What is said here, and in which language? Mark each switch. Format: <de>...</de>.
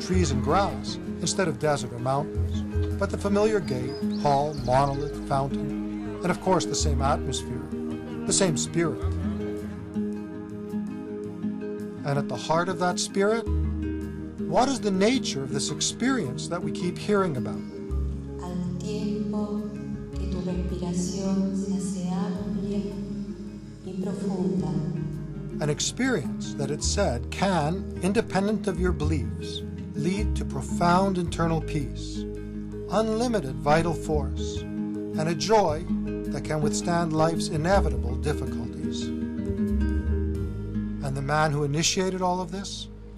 <en>Trees and grass instead of desert or mountains, but the familiar gate, hall, monolith, fountain, and of course the same atmosphere, the same spirit. And at the heart of that spirit, what is the nature of this experience that we keep hearing about?</en> <es>Al tiempo que tu respiración se hace amplia y profunda.</es> <en>An experience that it's said can, independent of your beliefs, lead to profound internal peace, unlimited vital force, and a joy that can withstand life's inevitable difficulties. And the man who initiated all of this?</en>